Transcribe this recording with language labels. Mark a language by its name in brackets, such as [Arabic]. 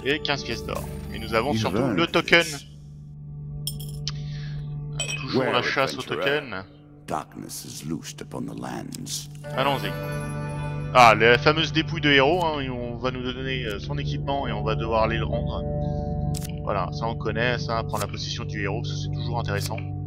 [French] Et 15 pièces d'or. Et nous avons surtout le token. jouons la chasse au token. [English] Darkness is loosed upon the lands. [French] Allons-y. Ah, la fameuse dépouille de héros, hein, on va nous donner son équipement et on va devoir aller le rendre. Voilà, ça on connaît, ça, prendre la position du héros, ça c'est toujours intéressant.